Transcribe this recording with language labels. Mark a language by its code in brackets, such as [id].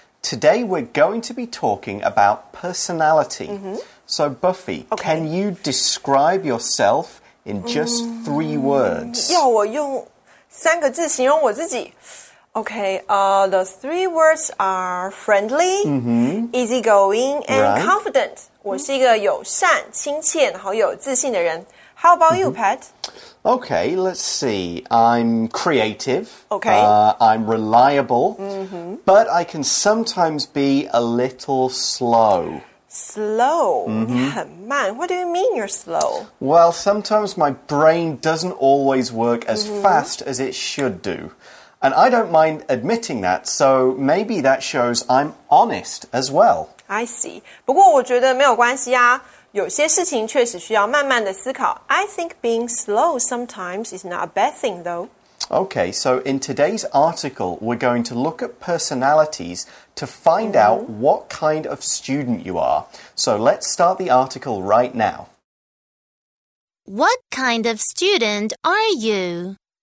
[en] Today we're going to be talking about personality. Mm-hmm. So Buffy, Okay. Can you describe yourself in just three words? [zh] 要我用三个字形容我自己。 [en] Okay, the three words are friendly, easygoing, and confident. [zh] 我是一个友善、亲切、然后有自信的人。 [en] How about you, Pat? Okay, let's see. I'm creative. Okay. I'm reliable. But I can sometimes be a little slow. [zh] Slow? 你很慢. [en] What do you mean you're slow? Well, sometimes my brain doesn't always work as fast as it should do. And I don't mind admitting that, so maybe that shows I'm honest as well. I see. [zh] 不过我觉得没有关系啊。有些事情确实需要慢慢的思考。 [en] I think being slow sometimes is not a bad thing, though. Okay, so in today's article, we're going to look at personalities to find out what kind of student you are. So let's start the article right now. What kind of student are you?